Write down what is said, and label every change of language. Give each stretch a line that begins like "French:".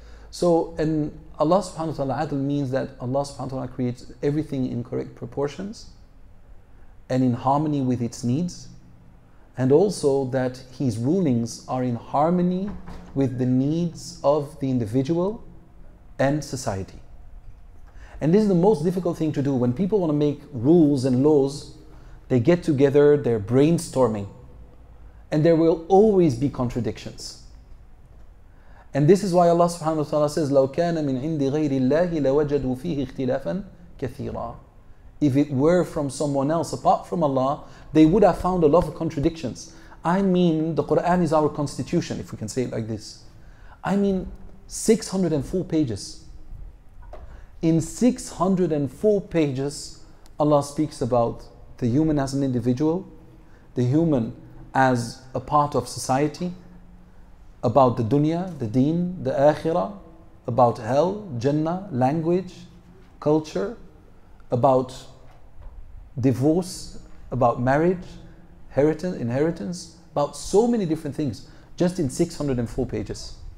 English: So, and Allah subhanahu wa ta'ala, Adl means that Allah subhanahu wa ta'ala creates everything in correct proportions and in harmony with its needs, and also that His rulings are in harmony with the needs of the individual and society. And this is the most difficult thing to do. When people want to make rules and laws, they get together, they're brainstorming, and there will always be contradictions. And this is why Allah subhanahu wa ta'ala says,
Arabic: لَوْ كَانَ مِنْ عِنْدِ غَيْرِ اللَّهِ لَوَجَدُوا فِيهِ اخْتِلَافًا كَثِيرًا.
English: If it were from someone else apart from Allah, they would have found a lot of contradictions. I mean, the Quran is our constitution, if we can say it like this. I mean, 604 pages. In 604 pages, Allah speaks about the human as an individual, the human as a part of society, about the dunya, the deen, the akhirah, about hell, jannah, language, culture, about divorce, about marriage, inheritance, about so many different things, just in 604 pages.